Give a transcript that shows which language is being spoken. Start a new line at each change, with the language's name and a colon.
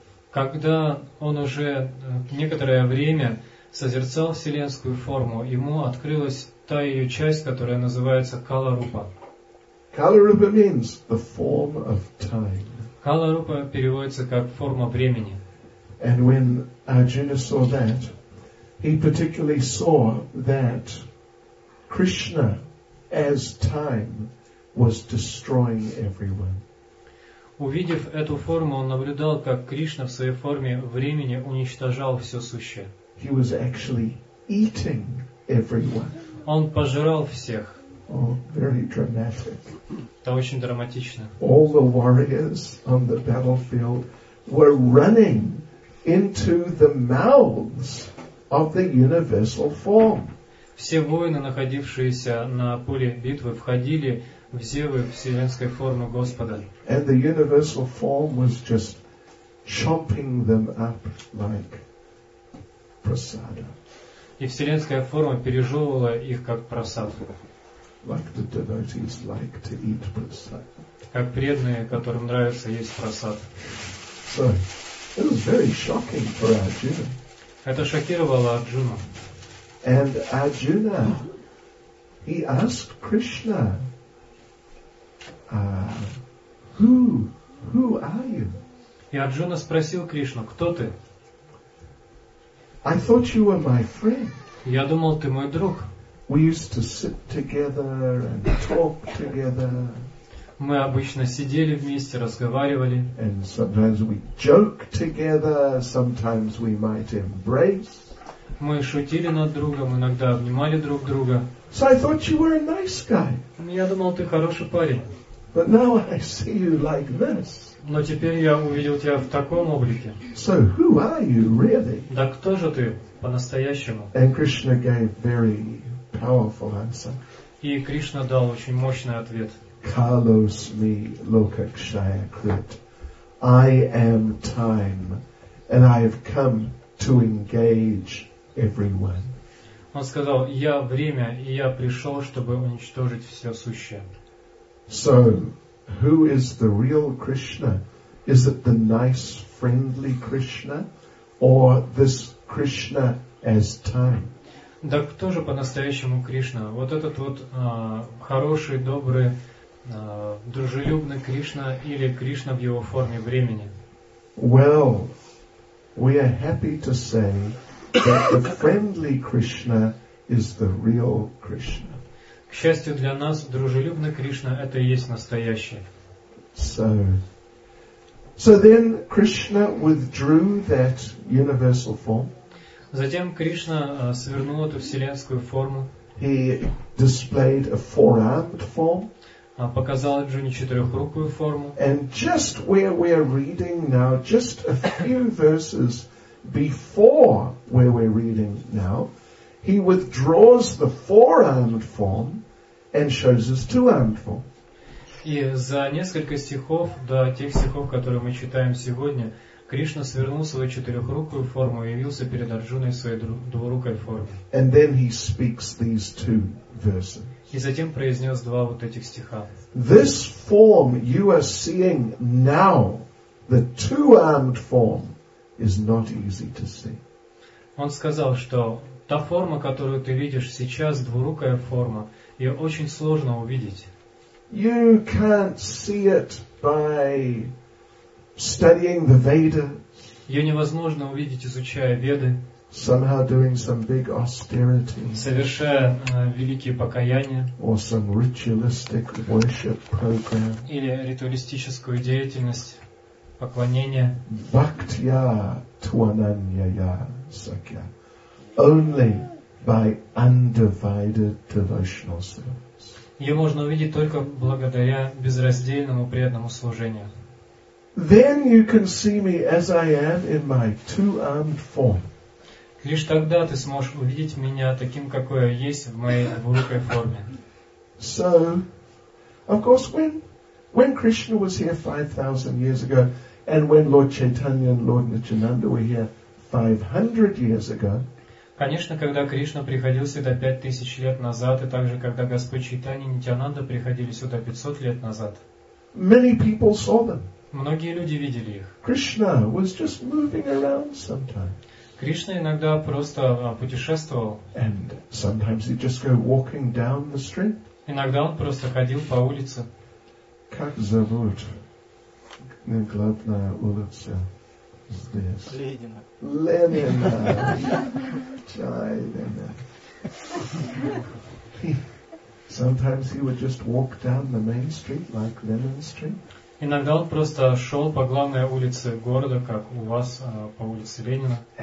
Russian: Когда он уже некоторое время созерцал вселенскую форму, ему открылась та ее часть, которая называется Kala Rupa.
English: Kala Rupa means the form of time.
Russian: Kala Rupa переводится как форма времени.
English: And when Arjuna saw that, he particularly saw that Krishna, as time, was destroying everyone.
Russian: Увидев эту форму, он наблюдал, как Кришна в своей форме времени уничтожал все сущее.
English: He was actually eating everyone.
Russian: Он пожирал всех.
English: Oh, very dramatic.
Russian: Это очень драматично.
English: All the warriors on the battlefield were running into the mouths of the universal form.
Russian: Все воины, находившиеся на поле битвы, входили в зевы вселенской формы Господа.
English: And the universal form was just chomping them up like prasada.
Russian: И вселенская форма пережевывала их как прасад.
English: Like the devotees like to eat prasad.
Russian: Как преданные, которым нравится есть прасад.
English: So, it was very shocking for Arjuna.
Russian: Это шокировало Арджуну.
English: And Arjuna, he asked Krishna, who are you?
Russian: И Арджуна спросил Кришну, кто ты?
English: I thought you were my friend.
Russian: Я думал, ты мой друг.
English: We used to sit together and talk together.
Russian: Мы обычно сидели вместе, разговаривали.
English: And sometimes we joke together, sometimes we might embrace.
Russian: Мы шутили над другом, иногда обнимали друг друга.
English: So I thought you were a nice guy.
Russian: Я думал, ты хороший парень.
English: But now I see you like this.
Russian: Но теперь я увидел тебя в таком облике.
English: So who are you really?
Russian: Да кто же ты по-настоящему?
English: And Krishna gave very powerful answer.
Russian: И Кришна дал очень мощный ответ.
Sanskrit: Kalosmi Lokakshaya Krit.
English: I am time, and I have come to engage everyone.
Russian: Он сказал, я время, и я пришел, чтобы уничтожить все сущее.
English: So, who is the real Krishna? Is it the nice, friendly Krishna? Or this Krishna as time?
Russian: Да кто же по-настоящему Кришна? Вот этот вот хороший, добрый, дружелюбный Кришна или Кришна в его форме времени?
English: Well, we are happy to say that the friendly Krishna is the real Krishna.
Russian: К счастью для нас, дружелюбный Кришна это и есть настоящий.
English: So then Krishna withdrew that universal form.
Russian: Затем Кришна свернул эту вселенскую форму.
English: He displayed a four-armed form.
Russian: Показал Джуни четырехрукую форму.
English: And just where we are reading now, just a few verses before where we're reading now, he withdraws the four-armed form and shows us two-armed form.
Russian: И за несколько стихов до тех стихов, которые мы читаем сегодня, Кришна свернул свою четырехрукую форму и явился перед Арджуной в своей двурукой форме.
English: And then he speaks these two verses.
Russian: И затем произнес два вот этих стиха.
English: This form you are seeing now, the two-armed form, is not easy to see.
Russian: Он сказал, что та форма, которую ты видишь сейчас, двурукая форма, ее очень сложно увидеть.
English: You can't see it by studying the Vedas.
Russian: Ее невозможно увидеть, изучая Веды.
English: Somehow doing some big austerity.
Russian: Совершая великие покаяния.
English: Or some ritualistic worship program.
Russian: Или ритуалистическую деятельность поклонения.
Sanskrit: Bhaktya tvananyaya sakya.
English: Only by undivided devotional service.
Russian: Ее можно увидеть только благодаря безраздельному преданному служению.
English: Then you can see me as I am in my two-armed form.
Russian: Лишь тогда ты сможешь увидеть меня таким, какой я есть в моей двурукой форме.
English: So, of course, when Krishna was here 5,000 years ago, and when Lord Chaitanya and Lord Nityananda were here 500 years ago,
Russian: конечно, когда Кришна приходил сюда 5,000 лет назад, и также когда Господь Чайтанья и Нитьянанда приходили сюда 500 лет назад,
English: many people saw them.
Russian: Многие люди видели их.
English: Krishna was just moving around sometimes.
Russian: Кришна иногда просто путешествовал.
English: And sometimes he'd just go walking down the street.
Russian: Иногда он просто ходил по улице. Как зовут? Не главная улица здесь. Ленина. Ленина. Чай Ленина.
English: Sometimes he would just walk down the main street, like Lenin Street.
Russian: Иногда он просто шел по главной улице города, как у вас по улице Ленина.